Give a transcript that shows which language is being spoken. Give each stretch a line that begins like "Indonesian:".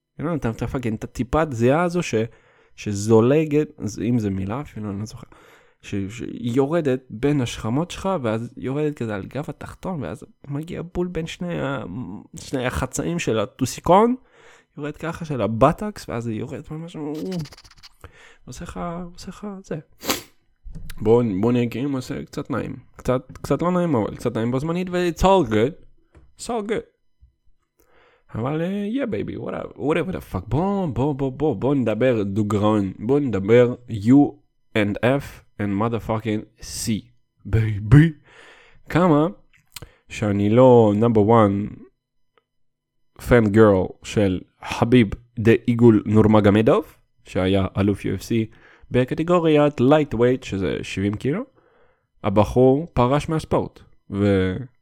Hebrew: אתה לא יודע, אתה פאקינג, את הטיפת זיעה הזו ש... שזולגת, אם זה מילה אפילו, אני לא זוכר, שיורדת בין השכמות שלך, ואז יורדת כזה על גב התחתון, ואז מגיע בול בין שני החצאים של הטוסיקון, יורד ככה של הבטקס, ואז היא יורדת ממש, עושה לך זה. בוא נגיד, עושה קצת נעים. קצת לא נעים, אבל קצת נעים בזמנית,
English: it's all good. It's all good. אבל, yeah, baby, whatever the fuck.
Hebrew: בוא נדבר דוגרון. בוא נדבר
English: U and F and motherfucking C. Baby.
Hebrew: כמה שאני לא
English: number one fangirl
Hebrew: של חביב דה איגול נורמגמדוב, שהיה אלוף UFC בקטגוריית lightweight, שזה 70 קילו, הבחור פרש מהספורט. ו...